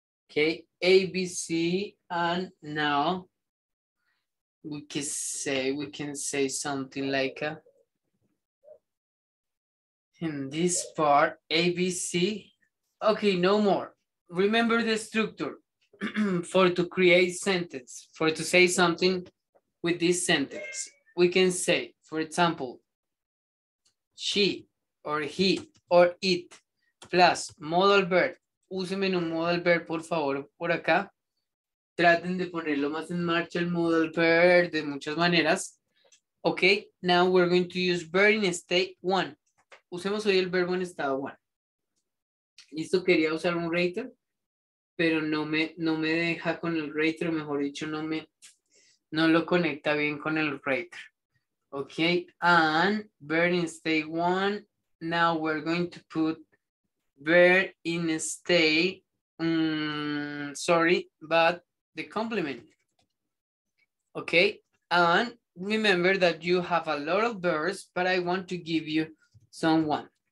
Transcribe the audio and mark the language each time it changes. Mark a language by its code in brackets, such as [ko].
[en] Okay, A, B, C, and now we can say something like in this part, A, B, C. Okay, no more. Remember the structure for to create sentence, for to say something with this sentence. We can say, for example, she or he or it, plus modal verb. [es] Úsenme en un modal verb, por favor, por acá. Traten de ponerlo más en marcha el modal verb de muchas maneras. [en] Ok, now we're going to use verb in state one. [es] Usemos hoy el verbo en estado one. Listo, quería usar un reiter, pero no me deja con el reiter, mejor dicho, no lo conecta bien con el reiter. [en] Ok, and verb in state one. Now we're going to put verb in stay, but the complement. Okay, and remember that you have a lot of verbs, but I want to give you some one.